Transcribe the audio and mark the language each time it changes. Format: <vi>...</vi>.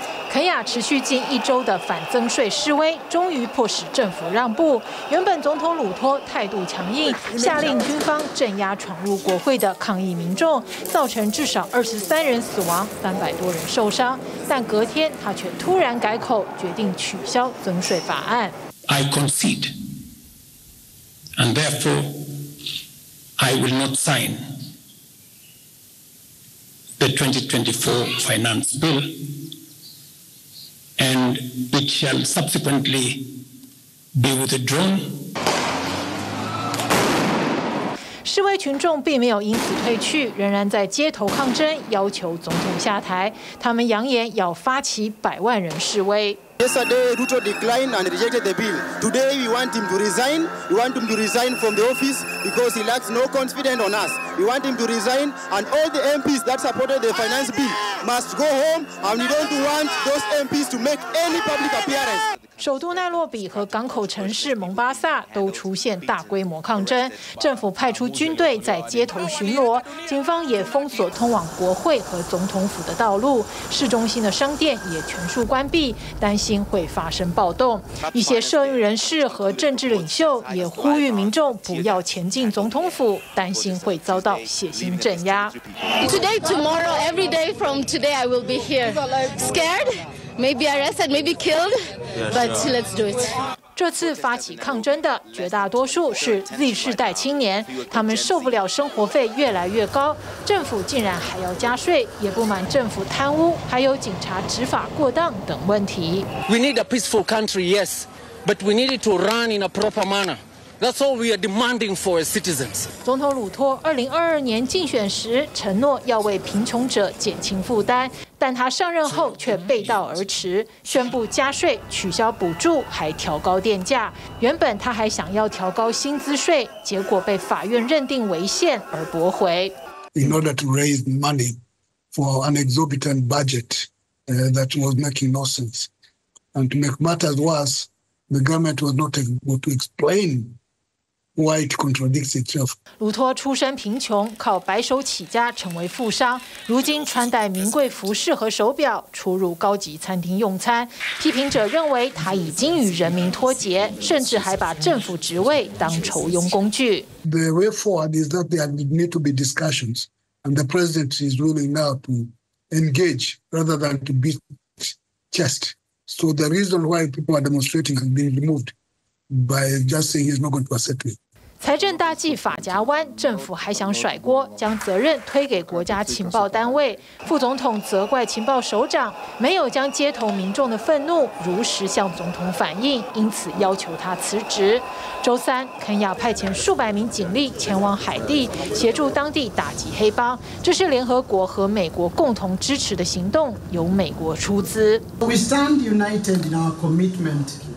<zh>肯亚持续近一周的反增税示威终于迫使政府让步，原本总统鲁托态度强硬，下令军方镇压闯入国会的抗议民众，造成至少23人死亡，300多人受伤，但隔天他却突然改口，决定取消增税法案。</zh> <en>I concedeAnd therefore, I will not sign the 2024 finance bill, and it shall subsequently be withdrawn.</en> <zh>示威群众并没有因此退去，仍然在街头抗争，要求总统下台。他们扬言要发起百万人示威。</zh> <en>Yesterday, Ruto declined and rejected the bill. Today, we want him to resign. We want him to resign from the office because he lacks no confidence on us. We want him to resign, and all the MPs that supported the finance bill must go home. And we don't want those MPs to make any public appearance.</en> <zh>首都奈洛比和港口城市蒙巴萨都出现大规模抗争，政府派出军队在街头巡逻，警方也封锁通往国会和总统府的道路，市中心的商店也全数关闭，担心会发生暴动。一些社运人士和政治领袖也呼吁民众不要前进总统府，担心会遭到血腥镇压。</zh> <en>Today, tomorrow, every day from today, I will be here. Scared? Maybe arrested, maybe killed, but let's do it.</en> <zh>这次发起抗争的绝大多数是 Z 世代青年，他们受不了生活费越来越高，政府竟然还要加税，也不满政府贪污，还有警察执法过当等问题。</zh> <en>We need a peaceful country, yes, but we need it to run in a proper manner. That's all we are demanding for as citizens.</en> <zh>总统鲁托2022年竞选时承诺要为贫穷者减轻负担，但他上任后却背道而驰，宣布加税、取消补助，还调高电价。原本他还想要调高薪资税，结果被法院认定违宪而驳回。</zh> <en>In order to raise money for an exorbitant budget, that was making no sense, and to make matters worse. The government was not able to explain why it contradicts itself.</en> <zh>鲁托出身贫穷，靠白手起家成为富商，如今穿戴名贵服饰和手表，出入高级餐厅用餐。批评者认为他已经与人民脱节，甚至还把政府职位当酬庸工具。</zh> <en>The way forward is that there need to be discussions, and the president is willing now to engage rather than to beat chest. So the reason why people are demonstrating has been removed by just saying he's not going to accept me.</en> <zh>财政大计法夹弯，政府还想甩锅，将责任推给国家情报单位。副总统责怪情报首长没有将街头民众的愤怒如实向总统反映，因此要求他辞职。周三，肯亚派遣数百名警力前往海地，协助当地打击黑帮。这是联合国和美国共同支持的行动，由美国出资。</zh> <en>We stand united in our commitment.</en>